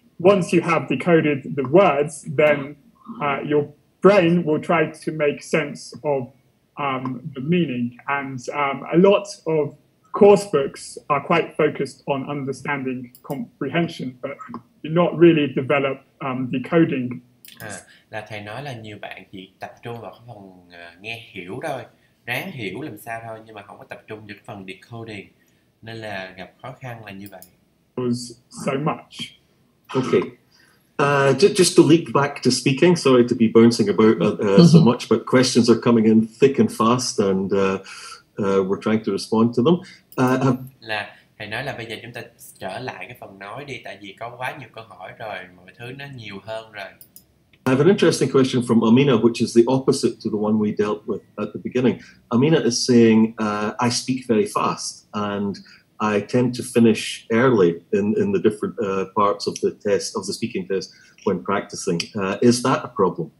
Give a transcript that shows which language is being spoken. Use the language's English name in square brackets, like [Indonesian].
[English] Once you have decoded the words, then your brain will try to make sense of the meaning. And a lot of course books are quite focused on understanding comprehension, but do not really develop decoding. [Vietnamese] Là thầy nói là nhiều bạn chỉ tập trung vào phần nghe hiểu thôi, ráng hiểu làm sao thôi, nhưng mà không có tập trung được phần decoding. Nên là gặp khó khăn là như vậy. [English] Was so much. Okay. Just to leap back to speaking. Sorry to be bouncing about so much, but questions are coming in thick and fast, and we're trying to respond to them. [Vietnamese] Là thầy nói là bây giờ chúng ta trở lại cái phần nói đi, tại vì có quá nhiều câu hỏi rồi, mọi thứ nó nhiều hơn rồi. [English] I have an interesting question from Amina, which is the opposite to the one we dealt with at the beginning. Amina is saying, I speak very fast, and I tend to finish early in the different parts of the test, of the speaking test, when practicing. Is that a problem?